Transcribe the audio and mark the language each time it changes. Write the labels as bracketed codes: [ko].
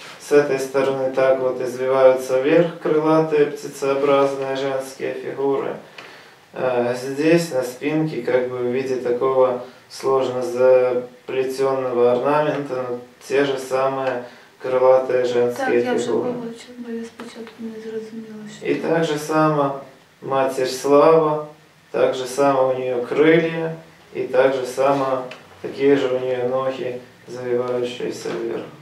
[ru] С этой стороны так вот извиваются вверх крылатые птицеобразные женские фигуры. Здесь на спинке как бы в виде такого сложно заплетенного орнамента, но те же самые крылатые женские так, фигуры. [uk] Так, я вже побачила, я спочатку не зрозуміла, що... [ru] И так же само Матерь Слава, так же само у нее крылья, и так же само такие же у нее ноги, завивающиеся вверх.